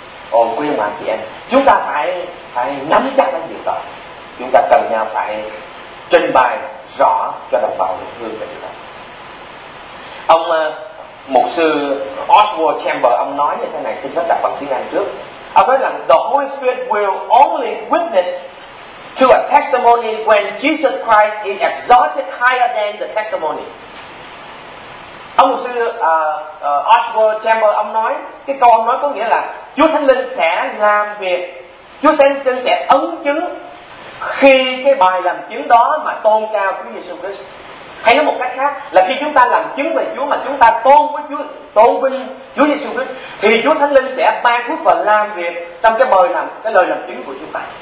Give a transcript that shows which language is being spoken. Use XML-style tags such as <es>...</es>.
<vi>Ồ, quý ông bà chị em, chúng ta phải nắm chắc cái điều đó. Chúng ta cần nhau phải trình bày rõ cho đồng bào được hương về điều đó. Ông mục sư Oswald Chamber ông nói như thế này, xin phép đọc bằng tiếng Anh trước. Ông nói rằng</vi> <en>the Holy Spirit will only witness to a testimony when Jesus Christ is exalted higher than the testimony.</en> <vi>Ông mục sư Oswald Chamber ông nói cái câu ông nói có nghĩa là Chúa Thánh Linh sẽ làm việc, Chúa sẽ ấn chứng khi cái bài làm chứng đó mà tôn cao Chúa Giêsu Christ. Hay nói một cách khác là khi chúng ta làm chứng về Chúa mà chúng ta tôn với Chúa, tôn vinh Chúa Giêsu Christ, thì Chúa Thánh Linh sẽ ban phước và làm việc trong cái bài làm, cái lời làm chứng của chúng ta.</vi>